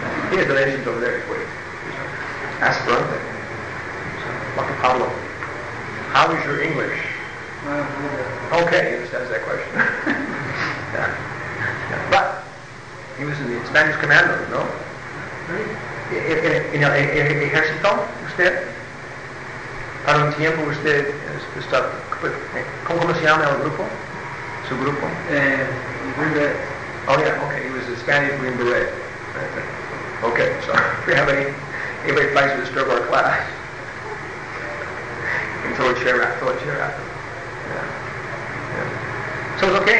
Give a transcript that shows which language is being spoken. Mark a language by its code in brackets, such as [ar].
[en] We have donations over there. Wait. Ask for anything. Pablo, how is your English? Okay, he just asked that question. Yeah. But he was in the Spanish commando, no? [es] ¿Ejército usted? ¿Para un tiempo usted está? ¿Cómo se llama el grupo? ¿Su grupo? [en] Green Beret. Oh yeah, okay, he was a Spanish Green Beret. Okay, so if you have any... Anybody tries to disturb our class? Throw a chair at them. Yeah. So it's okay.